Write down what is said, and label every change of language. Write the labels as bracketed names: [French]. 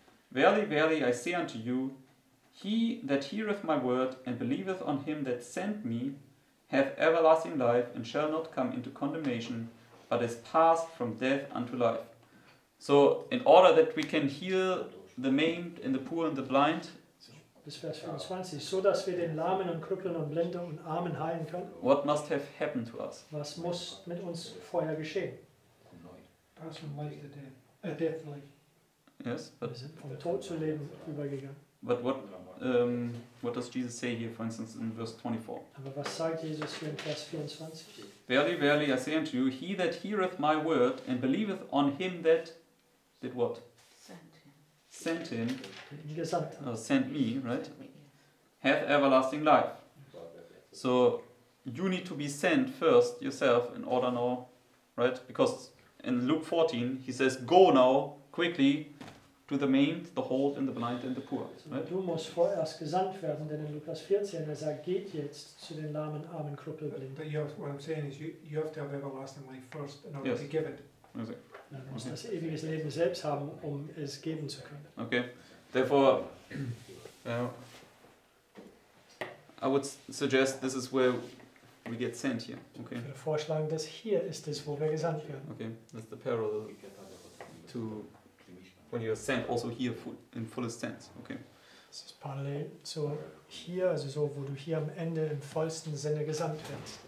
[English] Verily, verily, I say unto you, he that heareth my word, and believeth on him that sent me, hath everlasting life, and shall not come into condemnation, but is passed from death unto life. So, in order that we can heal the maimed and the poor and the blind. [German] Bis Vers 25. So dass wir den Lahmen und Krüppeln und Blinden und Armen heilen können. [English] What must have happened to us? [German] Was muss mit uns vorher geschehen? [English] Pass from life to death. Death life. Yes, but [German] wir sind vom Tod zu Leben übergegangen. [English] But what does Jesus say here, for instance, in verse 24? [German] Aber was sagt Jesus hier in Vers 24? [English] Verily, verily, I say unto you, he that heareth my word and believeth on him that did what? Sent him, or sent me, right? Hath everlasting life. So you need to be sent first yourself in order now, right? Because in Luke 14 he says, "Go now quickly to the maimed, the halt, and the blind, and the poor." Right? [German] Du musst vorerst gesandt werden, denn in Lukas 14 er sagt, geht jetzt zu den Lahmen, Armen, Krüppel, Blinden. [English] But what I'm saying is, you have to have everlasting life first in order to give it. Exactly. [German] Man muss das ewige Leben selbst haben, um es geben zu können. [English] Okay, therefore, I would suggest this is where we get sent here. Okay. [German] Ich würde vorschlagen, dass hier ist es, wo wir gesandt werden. [English] Okay, that's the parallel to when you're sent also here in fullest sense. Okay. [German] Das ist parallel zu hier, also so, wo du hier am Ende im vollsten Sinne gesandt wirst.